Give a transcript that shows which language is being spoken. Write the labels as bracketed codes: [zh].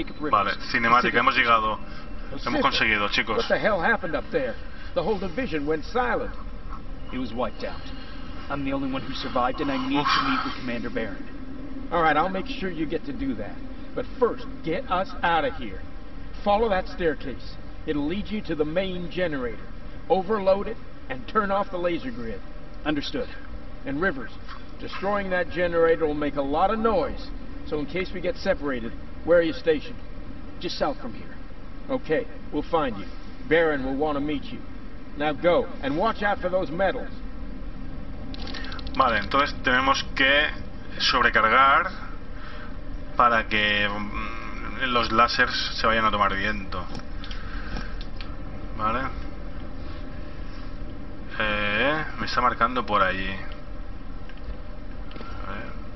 [es] Vale, cinemática, hemos llegado. Hemos conseguido, chicos. [en] What the hell happened up there? The whole division went silent. He was wiped out. I'm the only one who survived, and I need to meet with Commander Baron. All right, I'll make sure you get to do that. But first, get us out of here. Follow that staircase. It'll lead you to the main generator. Overload it, and turn off the laser grid. Understood. And Rivers, destroying that generator will make a lot of noise. So in case we get separated, where are you stationed? Just south from here. Okay, we'll find you. Baron will want to meet you. Now go and watch out for those metals. [es] Vale, entonces tenemos que sobrecargar para que los láseres se vayan a tomar viento. Vale. Me está marcando por allí. A ver.